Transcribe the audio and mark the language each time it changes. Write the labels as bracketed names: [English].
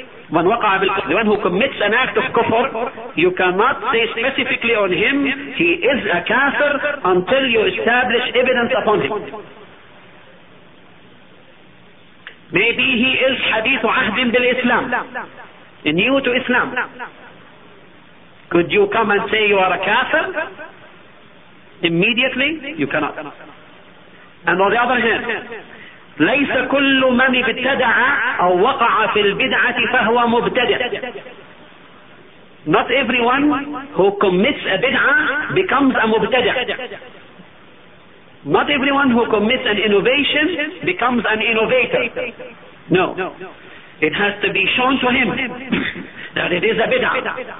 [Arabic] من وقع بالكفر, [English] the one who commits an act of kufr, you cannot say specifically on him he is a kafir until you establish evidence upon him. Maybe he is hadith [Arabic] عهد بالإسلام, [English] new to Islam. Could you come and say you are a kafir immediately? You cannot. And on the other hand, [Arabic] ليس كل من ابتدع أو وقع في البدعة فهو مبتدع. [English] Not everyone who commits a bid'ah becomes a مبتدع. Not everyone who commits an innovation becomes an innovator. No. It has to be shown to him that it is a bid'ah.